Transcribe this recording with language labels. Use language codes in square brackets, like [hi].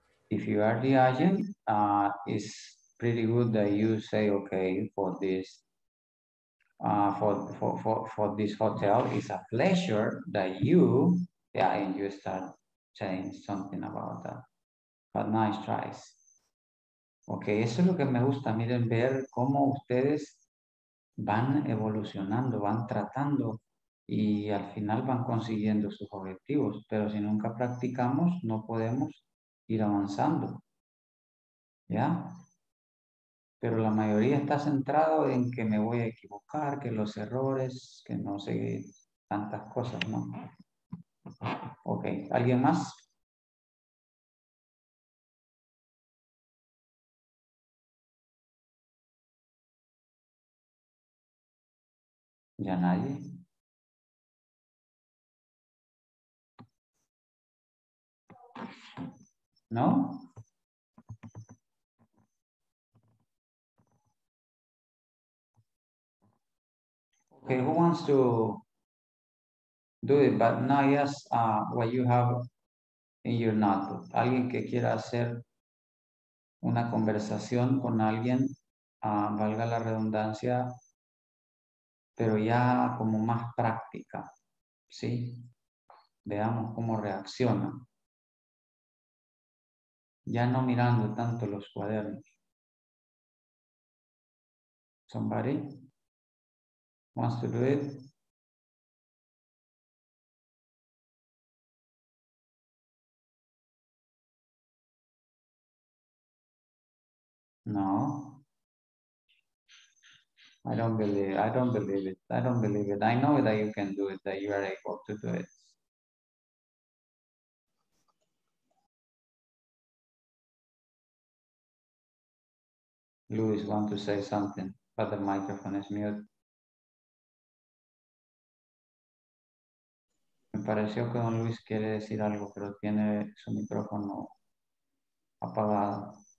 [en] If you are the agent, it's pretty good that you say, okay, for this hotel, it's a pleasure that you, yeah, and you start saying something about that. But nice tries. Okay, [es] eso es lo que me gusta. Miren, ver cómo ustedes van evolucionando, van tratando y al final van consiguiendo sus objetivos. Pero si nunca practicamos, no podemos ir avanzando. ¿Ya? Pero la mayoría está centrado en que me voy a equivocar, que los errores, que no sé, tantas cosas, ¿no? Ok, ¿alguien más? ¿Ya nadie? ¿No? [en] Okay, who wants to do it? But now, yes, what you have in your notebook. [es] Alguien que quiera hacer una conversación con alguien, valga la redundancia, pero ya como más práctica, ¿sí? Veamos cómo reacciona. Ya no mirando tanto los cuadernos. [en] Somebody wants to do it? No. I don't believe it. I know that you can do it, that you are able to do it. Luis wants to say something, but the microphone is mute. [es] Me pareció que Don Luis quiere decir algo, pero tiene su micrófono apagado.